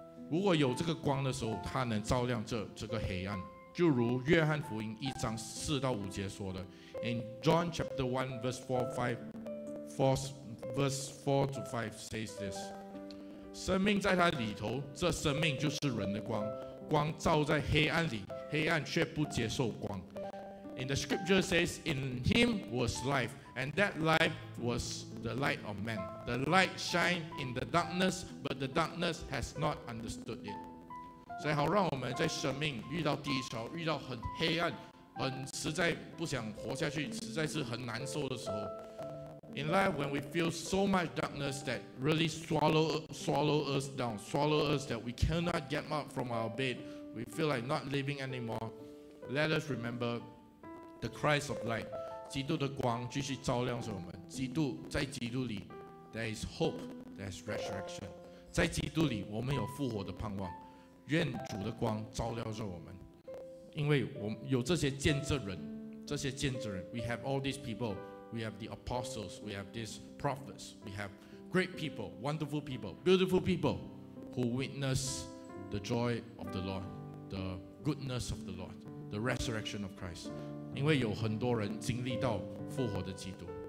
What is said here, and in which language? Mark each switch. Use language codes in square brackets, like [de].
[zh] 如果有这个光的时候，它能照亮这个黑暗，就如约翰福音一章四到五节说的 ， [en] In John chapter 1 verse 4 to 5 says this. [zh] 生命在他里头，这生命就是人的光，光照在黑暗里，黑暗却不接受光。 [en] In the scripture says, in him was life, and that life was the light of man. The light shined in the darkness, but the darkness has not understood it. [zh] 所以好让我们在生命遇到低潮，遇到很黑暗，很实在不想活下去，实在是很难受的时候。 [en] In life, when we feel so much darkness that really swallow us down, swallow us that we cannot get up from our bed, we feel like not living anymore, let us remember the Christ of light. [zh] 基督的光继续照亮着我们。基督，在基督里 [en] there is hope, there is resurrection. [zh] 在基督里我们有复活的盼望。愿主的光照亮着我们。因为我们有这些见证人，这些见证人 [en] we have all these people,We have the apostles, we have these prophets, we have great people, wonderful people, beautiful people who witness the joy of the Lord, the goodness of the Lord, the resurrection of Christ. [zh] 因为有很多人经历到复活的基督。